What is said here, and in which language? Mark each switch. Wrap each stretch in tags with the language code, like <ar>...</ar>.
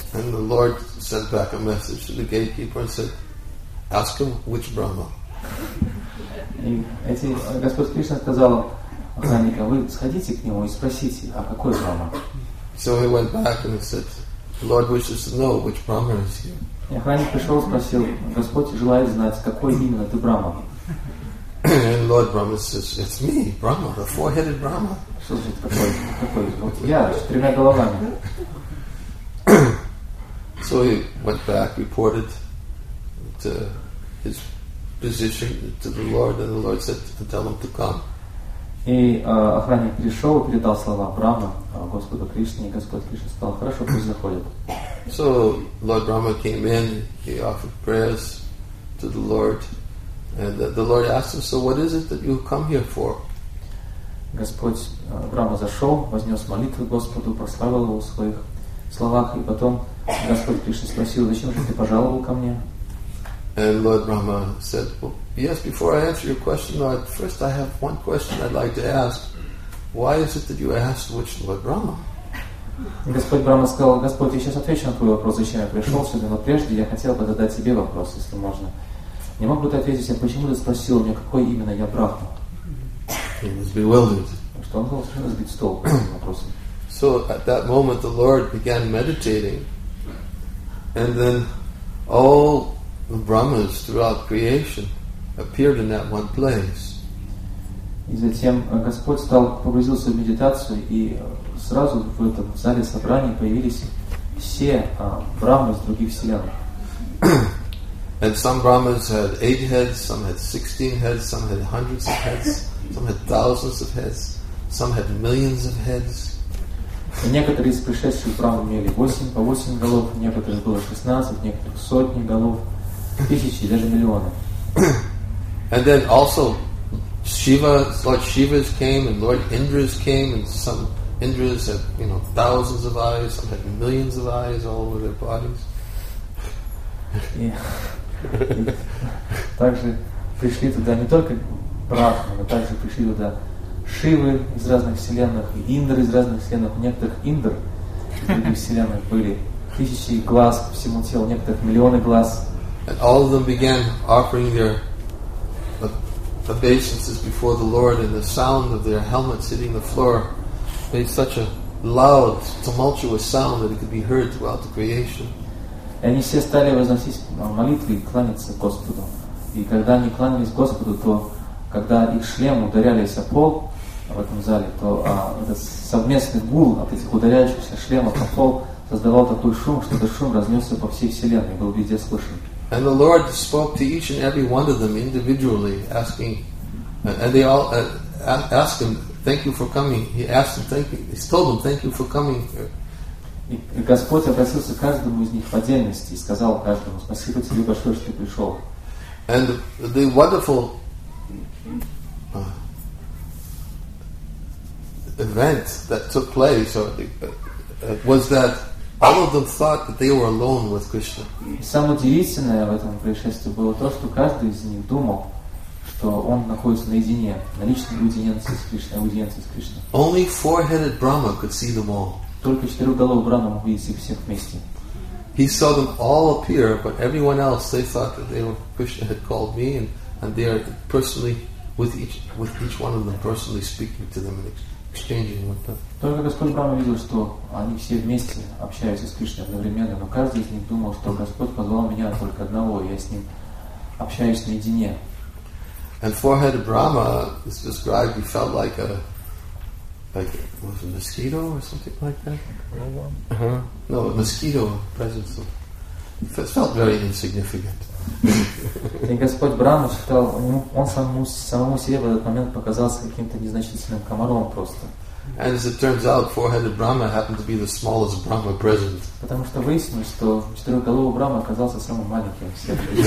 <en>And the Lord sent back a message to the gatekeeper and said, "Ask him which Brahma."</en> <ru>И эти Господь Кришна сказал охранника, вы сходите к нему и спросите, а какой Брама?</ru> <en>So he went back and he said, "The Lord wishes to know which Brahma is here."</en> <ru>И охранник пришел и спросил, Господь желает знать, какой именно ты Брама.</ru> <en>And Lord Brahma says, "It's me, Brahma, the four-headed Brahma."</en> <ru>Что значит такой? Такой? Вот я с тремя головами.</ru> <en>So he went back, reported to his position to the Lord, and the Lord said to tell him to come.</en> <ru>И охранник пришел и передал слова Брама Господу Кришне, и Господь Кришна сказал, хорошо, пусть заходит.</ru> <en>So Lord Brahma came in, he offered prayers to the Lord. And the Lord asked him, "So what is it that you come here for?"</en> <ru>Господь Брама зашел, вознес молитву Господу, прославил его в своих словах, и потом Господь Кришна спросил, "Зачем же ты пожаловал ко мне?"</ru> <en>And Lord Brahma said, "Well, yes, before I answer your question, Lord, first I have one question I'd like to ask. Why is it that you asked which Lord Brahma?"</en> <ru>Господь Брама сказал, "Господь, я сейчас отвечу на твой вопрос, зачем я пришел сюда, но прежде я хотел бы задать тебе вопрос, если можно. Не мог бы ты ответить, я почему ты спросил меня, какой именно я Брахма?"</ru> <en>He was bewildered.</en> <ru>Что он был совершенно сбит с толку этим вопросом.</ru> <en>So at that moment the Lord began meditating, and then all the Brahmas throughout creation appeared in that one place.</en> <ru>И затем Господь стал погрузился в медитацию, и сразу в этом зале собрания появились все Брахмы из других вселенных.</ru> <en>And some Brahmas had 8 heads, some had 16 heads, some had hundreds of heads, some had thousands of heads, some had millions of heads.</en> <ru>Некоторые из пришедших Брахм имели 8 голов, некоторых было 16, некоторых сотни голов, тысячи, даже миллионы.</ru> <en>And then also Shiva, Lord Shiva's came and Lord Indra's came, and some Indras had, you know, thousands of eyes, some had millions of eyes all over their bodies. Yeah.</en> <ru>И также пришли туда не только Брахмы, но также пришли туда Шивы из разных вселенных, и Индры из разных вселенных. У некоторых Индр из других вселенных были тысячи глаз по всему телу, у некоторых миллионы глаз.</ru> <en>And all of them began offering their obeisances before the Lord, and the sound of their helmets hitting the floor made such a loud, tumultuous sound that it could be heard throughout the creation.</en> <ru>И они все стали возносить молитвы и кланяться Господу. И когда они кланялись Господу, то когда их шлем ударялись о пол в этом зале, то этот совместный гул от этих ударяющихся шлемов о пол создавал такой шум, что этот шум разнесся по всей вселенной, был везде слышен.</ru> <en>And the Lord spoke to each and every one of them individually, asking, and they all asked him, "Thank you for coming." He asked them, "Thank you." He told them, "Thank you for coming."</en> <ru>И Господь обратился к каждому из них в отдельности и сказал каждому, спасибо тебе большое, что ты пришел.</ru> <en>And the wonderful event that took place was that all of them thought that they were alone with Krishna.</en> <ru>И самое удивительное в этом происшествии было то, что каждый из них думал, что он находится наедине, на личной аудиенции с Кришной, аудиенции с Кришной.</ru> <en>Only four-headed Brahma could see them all.</en> <ru>Только четырехголовый Брама мог видеть их всех вместе.</ru> <en>He saw them all appear, but everyone else, they thought that they were Krishna had called me, and they are personally with each one of them personally speaking to them and exchanging with them.</en> <ru>Только Господь Брама видел, что они все вместе общаются с Кришной одновременно, но каждый из них думал, что Господь позвал меня только одного, и я с ним общаюсь наедине.</ru> <en>And four-headed Brahma is described, he felt like a mosquito or something like that? Uh-huh. No, a mosquito presence. It felt very insignificant.</en> <ru>И Господь Брама считал, он самому себе в этот момент показался каким-то незначительным комаром просто.</ru> <en>And as it turns out, four-headed Brahma happened to be the smallest Brahma present.</en> <ru>Потому что выяснилось, что четырехголовый Брама оказался самым маленьким из всех.</ru>